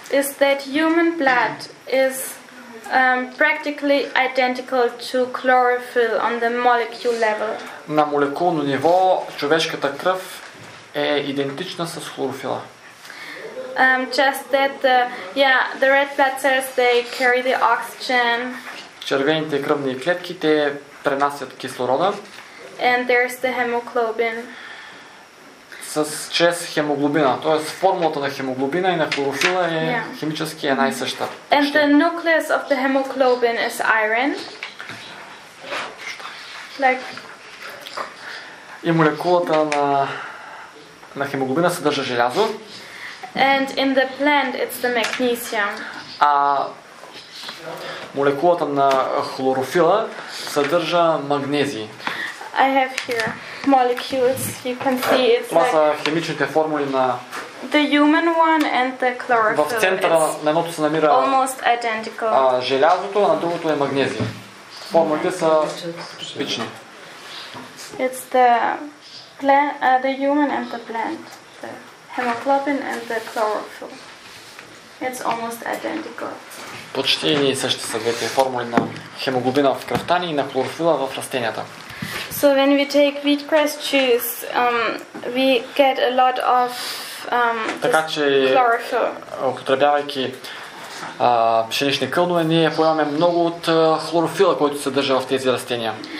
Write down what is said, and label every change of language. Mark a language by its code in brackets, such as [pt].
[en] Is that human blood is practically identical to chlorophyll on the molecule level. [bg] На молекулно ниво човешката кръв е идентична с хлорофила. [en] Just that the the red blood cells they carry the oxygen. [bg] Червените кръвни клетки те пренасят кислорода. [en] And there's the hemoglobin. [bg] С чрез хемоглобина. Тоест формулата на хемоглобина и на хлорофила е химически една и съща. [en] And the nucleus of the hemoglobin is iron. [bg] И молекулата на хемоглобина съдържа желязо. [en] And in the plant it's the magnesium. [bg] А молекулата на хлорофила съдържа магнезий. [en] I have here molecules. You can see it's [bg] това са химичните формули на [en] the human one and the chlorophyll. [bg] В центъра на едното се намира [en] almost identical. [bg] А желязото, а на другото е магнезий. Формулите са типични. [en] It's the plant, the human and the plant. The hemoglobin and the chlorophyll. It's almost identical. [bg] Почти едни и същи са двете формули на хемоглобина в кръвта ни и на хлорофила в растенията. [en] So when we take wheatgrass juice, we get a lot of chlorophyll. [bg] Употребявайки пшенични кълнове, ние поемаме много от хлорофила, който се съдържа в тези растения.